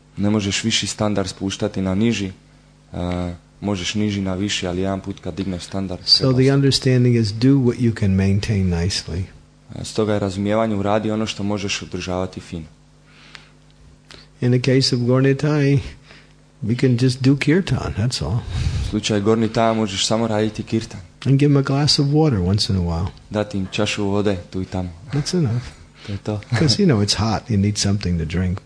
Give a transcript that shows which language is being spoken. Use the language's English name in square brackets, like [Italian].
[Croatian] Ne možeš viši standard spuštati na niži, možeš niži na viši, ali jedan put kad digneš standard... [English] So the understanding is do what you can maintain nicely. [Croatian] Stoga je razumijevanje, uradi ono što možeš održavati fino. [English] In the case of gornitai, we can just do kirtan, that's all. [Croatian] U slučaju gornitai možeš samo raditi kirtan. [English] And give him a glass of water once in a while. [Croatian] Dati im čašu vode tu i tamo. [English] That's enough. [Croatian] To je to. [English] Because, you know, it's hot, you need something to drink.